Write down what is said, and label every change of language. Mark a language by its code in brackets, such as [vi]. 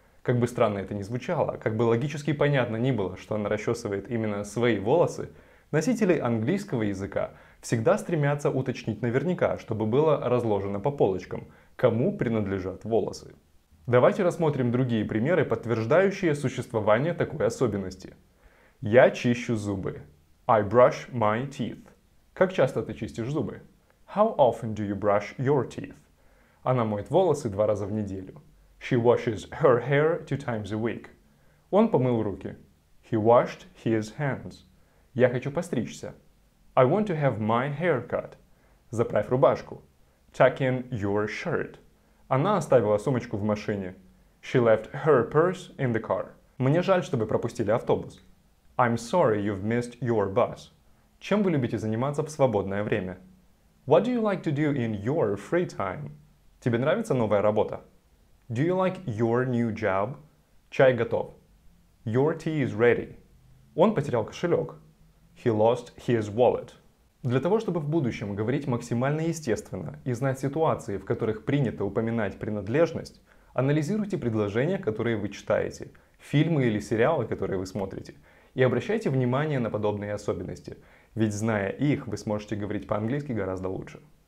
[ru] Как бы странно это ни звучало, как бы логически понятно ни было, что она расчесывает именно свои волосы, носители английского языка всегда стремятся уточнить наверняка, чтобы было разложено по полочкам, кому принадлежат волосы. Давайте рассмотрим другие примеры, подтверждающие существование такой особенности. Я чищу зубы. [en] I brush my teeth. [ru] Как часто ты чистишь зубы? [en] How often do you brush your teeth? [ru] Она моет волосы два раза в неделю. [en] She washes her hair 2 times a week. [ru] Он помыл руки. [en] He washed his hands. [ru] Я хочу постричься. [en] I want to have my hair cut. [ru] Заправь рубашку. [en] Tuck in your shirt. [ru] Она оставила сумочку в машине. [en] She left her purse in the car. [ru] Мне жаль, что вы пропустили автобус. [en] I'm sorry you've missed your bus. [ru] Чем вы любите заниматься в свободное время? [en] What do you like to do in your free time? [ru] Тебе нравится новая работа? [en] Do you like your new job? [ru] Чай готов. [en] Your tea is ready. [ru] Он потерял кошелек. [en] He lost his wallet. [ru] Для того, чтобы в будущем говорить максимально естественно и знать ситуации, в которых принято упоминать принадлежность, анализируйте предложения, которые вы читаете, фильмы или сериалы, которые вы смотрите, и обращайте внимание на подобные особенности, ведь зная их, вы сможете говорить по-английски гораздо лучше.